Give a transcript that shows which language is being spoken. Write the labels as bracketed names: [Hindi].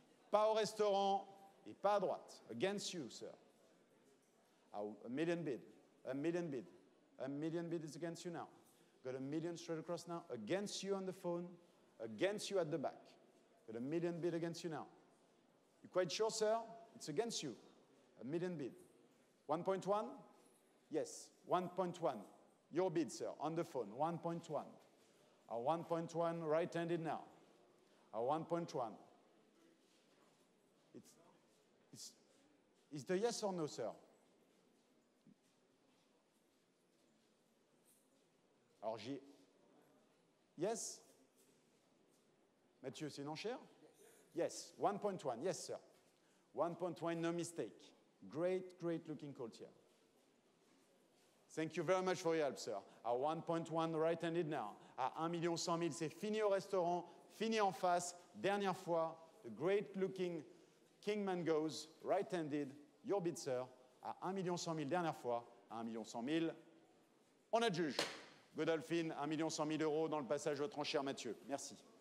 [French] Pas au restaurant et pas à droite. [English] Against you, sir. A million bid. A million bid. A million bid is against you now. Got a million straight across now. Against you on the phone. Against you at the back. Got a million bid against you now. You quite sure, sir? It's against you. A million bid. 1.1? Yes, 1.1. Your bid, sir, on the phone. 1.1. A 1.1 right-handed now. A 1.1. It's the yes or no, sir? [French] Alors j'ai. Yes? Mathieu, c'est une enchère? [English] Yes, 1.1. Yes, sir. 1.1, no mistake. Great, great looking call here. Thank you very much for your help, sir. A 1.1 right-handed now. [French] A 1 100 000, c'est fini au restaurant, fini en face, dernière fois. [English] The great looking Kingman goes right-handed. Your bid, sir. A 1 100 000, [French] dernière fois. [English] A 1 100 000. [French] On adjuge. Godolphin, 1 100 000 euros dans le passage de votre enchère, Mathieu. Merci.